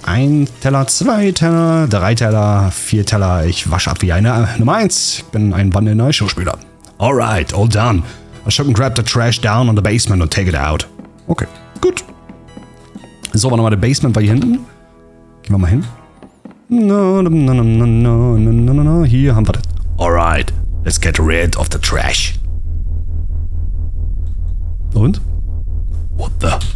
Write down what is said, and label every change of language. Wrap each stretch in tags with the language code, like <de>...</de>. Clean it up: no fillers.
<de>Ein Teller, zwei Teller, drei Teller, vier Teller. Ich wasche ab wie eine Nummer 1. Ich bin ein Wandel-Neu-Schauspieler.</de> <en>Alright, all done. I should grab the trash down on the basement and take it out.</en> <de>Okay, gut. So, war nochmal der Basement war hier hinten. Gehen wir mal hin. No. Hier haben wir das.</de> <en>Alright, let's get rid of the trash.</en> <de>Und?</de> <en>What the?</en>